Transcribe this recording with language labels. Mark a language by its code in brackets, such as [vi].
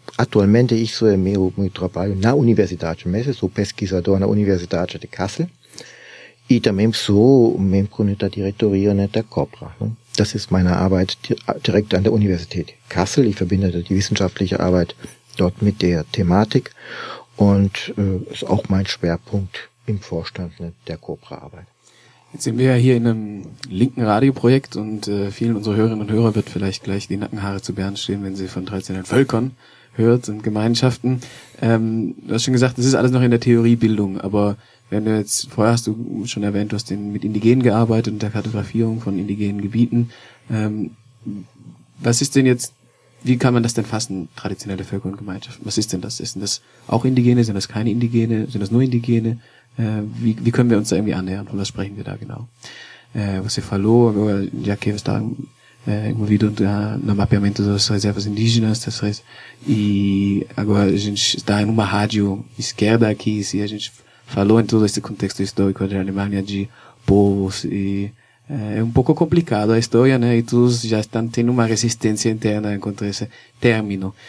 [pt] Atualmente isso é meu trabalho na Universidade Messe, sou pesquisador na Universidade de Kassel e também sou membro da diretoria, né, da COPRA, ne? [de] Das ist meine Arbeit direkt an der Universität Kassel. Ich verbinde die wissenschaftliche Arbeit dort mit der Thematik und ist auch mein Schwerpunkt im Vorstand, ne, der COPRA-Arbeit. Jetzt sind wir ja hier in einem linken Radioprojekt und vielen unserer Hörerinnen und Hörer wird vielleicht gleich die Nackenhaare zu Bären stehen, wenn sie von traditionellen Völkern hört und Gemeinschaften. Du hast schon gesagt, es ist alles noch in der Theoriebildung, aber wenn du jetzt, vorher hast du schon erwähnt, du hast mit Indigenen gearbeitet und der Kartografierung von indigenen Gebieten. Was ist denn jetzt, wie kann man das denn fassen, traditionelle Völker und Gemeinschaften? Was ist denn das? Sind das auch Indigene? Sind das keine Indigene? Sind das nur Indigene? Wie können wir uns da irgendwie annähern? Und was sprechen wir da genau? [pt] Você falou, já que está envolvido no mapeamento das reservas indígenas, [de] das heißt, [pt] e agora a gente está em uma rádio esquerda aqui, se a gente falou em todo esse contexto histórico da Alemanha, de povos, e é um pouco complicado a história, né? E todos já estão tendo uma resistência interna contra esse término.